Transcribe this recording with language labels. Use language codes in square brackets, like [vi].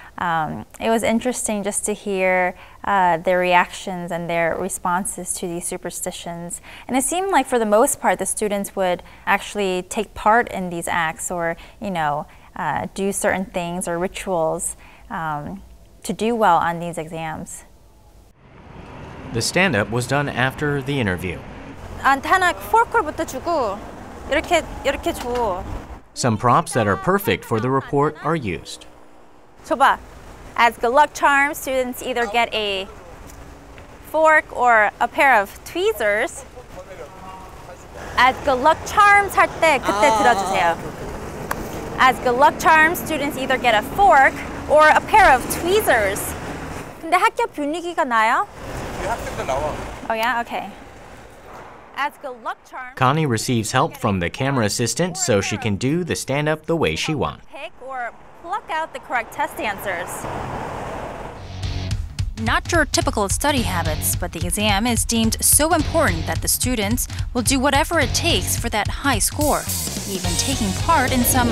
[en] It was interesting just to hear their reactions and their responses to these superstitions. And it seemed like for the most part, the students would actually take part in these acts or, you know, do certain things or rituals to do well on these exams. The stand-up was done after the interview. [ko] 안테나 포크부터 주고 이렇게 줘. [en] Some props that are perfect for the report are used. [ko] 줘봐. [en] As good luck charms, students either get a fork or a pair of tweezers. As good luck charms [ko] 할 때 그때 들어주세요. [en] As good luck charms, students either get a fork or a pair of tweezers. [ko] 근데 학교 분위기가 나요? 학생도 나와. [en] Oh yeah, okay. As good luck charms. Connie receives help from the camera assistant so she can do the stand-up the way she wants. Pluck out the correct test answers. Not your typical study habits, but the exam is deemed so important that the students will do whatever it takes for that high score, even taking part in some